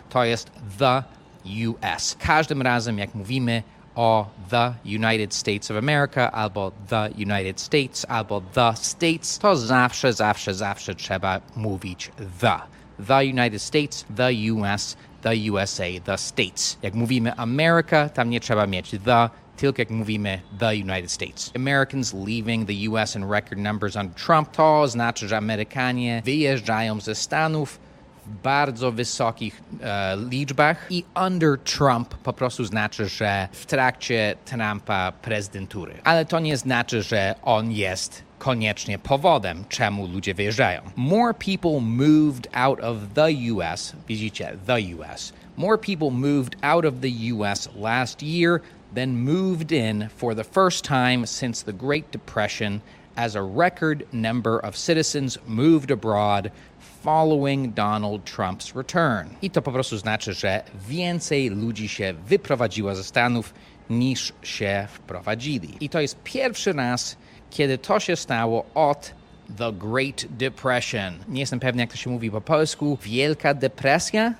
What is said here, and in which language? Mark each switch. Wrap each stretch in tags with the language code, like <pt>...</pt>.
<pl>To jest the US. Każdym razem, jak mówimy o the United States of America, albo the United States, albo the States, to zawsze, zawsze, zawsze trzeba mówić the.</pl> <en>The United States, the US, the USA, the States.</en> <pl>Jak mówimy America, tam nie trzeba mieć the, tylko jak mówimy the United States.</pl> <en>Americans leaving the US in record numbers under Trump.</en> <pl>To znaczy, że Amerykanie wyjeżdżają ze Stanów w bardzo wysokich liczbach i</pl> <en>under Trump</en> <pl>po prostu znaczy, że w trakcie Trumpa prezydentury. Ale to nie znaczy, że on jest koniecznie powodem, czemu ludzie wyjeżdżają.</pl> <en>More people moved out of the US, widzicie, the US. More people moved out of the US last year than moved in for the first time since the Great Depression, as a record number of citizens moved abroad following Donald Trump's return.</en> <pl>I to po prostu znaczy, że więcej ludzi się wyprowadziło ze Stanów niż się wprowadzili. I to jest pierwszy raz, kiedy to się stało od The Great Depression. Nie jestem pewny, jak to się mówi po polsku. Wielka depresja?</pl>